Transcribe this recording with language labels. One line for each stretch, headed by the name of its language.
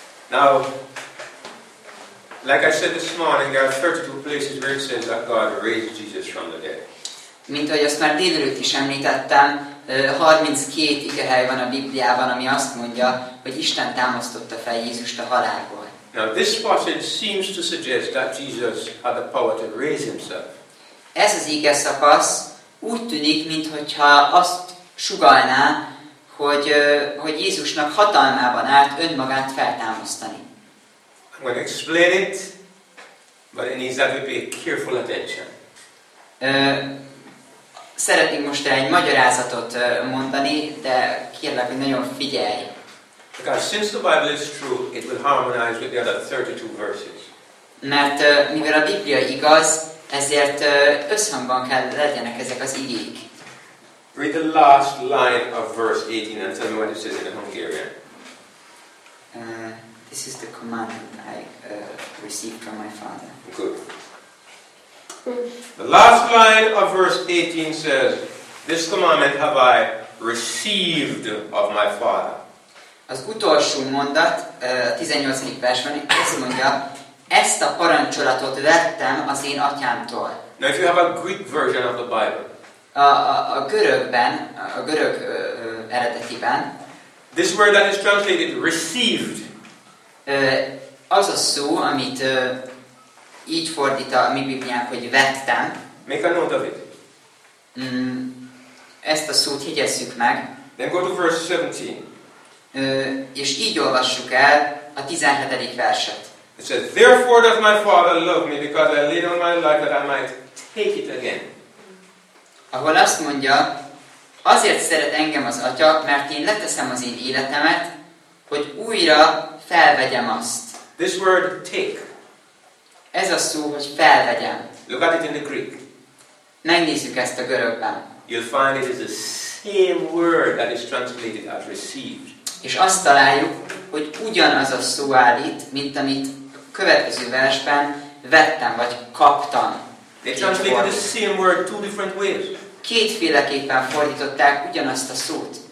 English: Now, like I said this morning, there are 32 places where it says that God raised Jesus from the dead.
Hungarian: Mint ahogy azt már délelőtt is említettem, 32 igehely van a Bibliában, ami azt mondja, hogy Isten támasztotta fel Jézust a halálból.
English: Now this passage seems to suggest that Jesus had the power to raise himself.
Hungarian: Ez az ige szakasz úgy tűnik, mintha azt sugalná, hogy Jézusnak hatalmában állt önmagát feltámasztani.
English: I'm going to explain it, but it needs that we pay careful attention.
Hungarian: Szeretnék most egy magyarázatot mondani, de kérlek, hogy nagyon figyelj.
English: Because since the Bible is true, it will harmonize with the other 32 verses.
Hungarian: Mert mivel a Biblia igaz, ezért összhangban kell legyenek ezek az igék.
English: Read the last line of verse 18 and tell me what it says in the Hungarian. This is the commandment I received from my father. Good. The last line of verse 18 says, "This commandment have I received of my father."
Hungarian: Az utolsó mondat, a 18. versben azt mondja, ezt a parancsolatot vettem az én atyámtól.
English: Now if you have a Greek version of the Bible.
Hungarian: A görög eredetiben.
English: This word that is translated received.
Hungarian: Az a szó, amit így fordít a mi Bibliánk, hogy vettem.
English: Make a note of it.
Hungarian: Ezt a szót higgyezzük meg.
English: Then go to verse 17.
Hungarian: És így olvassuk el a 17. verset.
English: It says, "Therefore does my Father love me, because I lay down my life that I might take it again."
Hungarian: Ahol azt mondja, azért szeret engem az Atya, mert én leteszem az én életemet, hogy újra felvegyem azt.
English: This word, take.
Hungarian: Ez a szó, hogy felvegyem.
English: Look at it in the Greek.
Hungarian: Megnézzük ezt a görögben.
English: You'll find it is the same word that is translated as received.
Hungarian: És azt találjuk, hogy ugyanaz a szó áll itt, mint amit a következő versben vettem vagy kaptam.
English: They translated the same word two different ways.
Hungarian: Kétféleképpen fordították ugyanazt a szót.